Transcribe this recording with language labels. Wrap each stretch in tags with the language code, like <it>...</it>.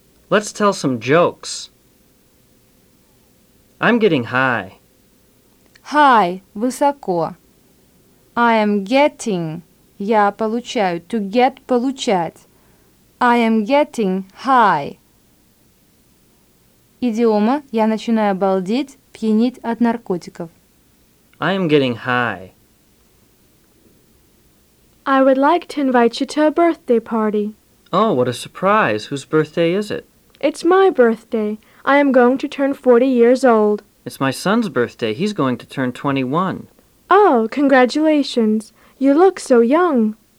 <en>Let's tell some jokes. I'm getting high. High – высоко. I am getting –</en> <ru>я получаю.</ru> <en>To get – получать. I am getting high.</en> <ru>Идиома – я начинаю балдеть, пьянить от наркотиков.</ru> <en>I am getting high. I would like to invite you to a birthday party. Oh, what a surprise. Whose birthday is it? It's my birthday. I am going to turn 40 years old. It's my son's birthday. He's going to turn 21. Oh, congratulations. You look so young.</en>